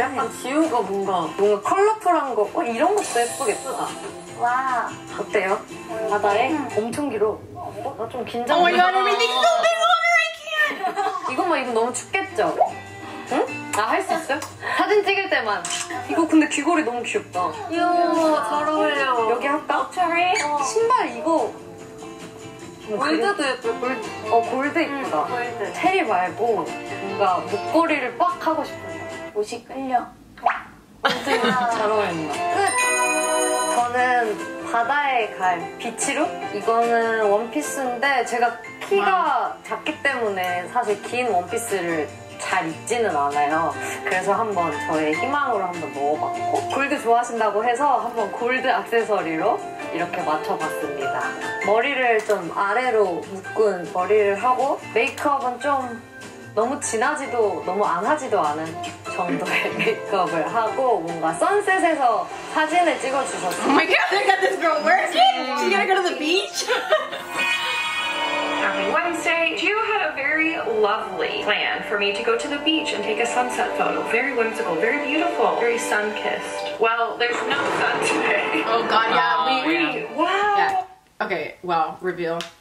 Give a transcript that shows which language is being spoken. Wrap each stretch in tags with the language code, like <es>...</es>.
<ko>약간 지효가 뭔가 컬러풀한 거 이런 것도 예쁘겠다. 와 어때요? 바다에 엄청 길어. 나 좀 긴장.</ko> <en>Oh my god, I'm really so big longer, I can't.</en> <ko>이거 막 이거 너무 춥겠죠? 응? 나 할 수 있어? 사진 찍을 때만. 이거 근데 귀걸이 너무 귀엽다. 이야 잘 어울려. 여기 할까? 처리. 신발 이거. 골드도 예쁘고 골드 이쁘다. 골드. 체리 말고 뭔가 목걸이를 빡 하고 싶어요. 옷이 끌려. 엄청 잘 어울린다. 끝! 저는 바다에 갈 비치로? 이거는 원피스인데 제가 키가 작기 때문에 사실 긴 원피스를 잘 입지는 않아요. 그래서 한번 저의 희망으로 한번 넣어봤고 골드 좋아하신다고 해서 한번 골드 액세서리로 이렇게 맞춰봤습니다. 머리를 좀 아래로 묶은 머리를 하고 메이크업은 좀 너무 진하지도 너무 안 하지도 않은 정도의 메이크업을 하고 뭔가 선셋에서 사진을 찍어주셨어요.</ko> <en>Oh my god, I got this girl. Where is she? She gonna go to the beach? Wednesday, Jihyo had a very lovely plan for me to go to the beach and take a sunset photo. Very whimsical, very beautiful, very sun-kissed. Well, there's no sun today. Oh god, yeah, wow. Yeah. Okay, well, reveal.</en>